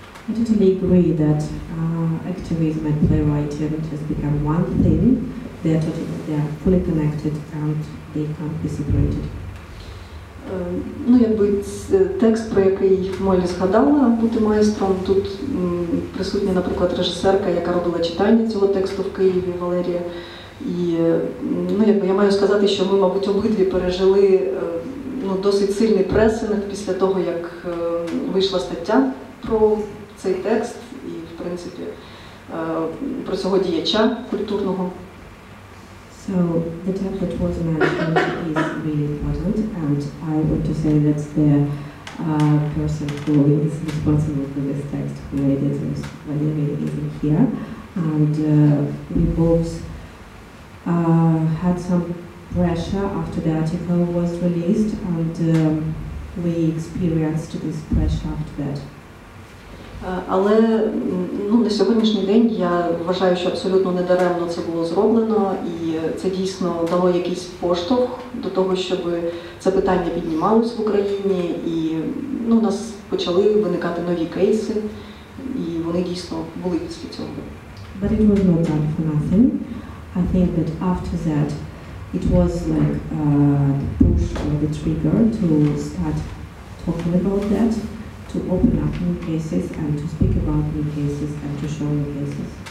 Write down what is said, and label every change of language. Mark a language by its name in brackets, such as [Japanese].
[English] I totally agree that activism and playwriting has become one thing. They are fully connected and they can't be separated. [Ukrainian] Ну, якби текст, про який Молі згадала, «Бути майстром», тут присутня, наприклад, режисерка, яка робила читання цього тексту в Києві, Валерія. І, ну, якби я маю сказати, що ми, мабуть, обидві пережили досить сильний пресинг після того, як вийшла стаття про цей текст і, в принципі, про цього діяча культурного. [English] So the text that was mentioned is really important, and I want to say that the person who is responsible for this text, who made it, is Valeria, isn't here. And we both had some pressure after the article was released, and we experienced this pressure after that. [Ukrainian] Але на сьогоднішній день я вважаю, що абсолютно недаремно це було зроблено, і це дійсно дало якийсь поштовх до того, щоб це питання піднімалось в Україні, і у нас почали виникати нові кейси, і вони дійсно були після цього. [English] But it was not done for nothing. I think that after that it was like the push or the trigger to start talking about that, to open up new cases and to speak about new cases and to show new cases.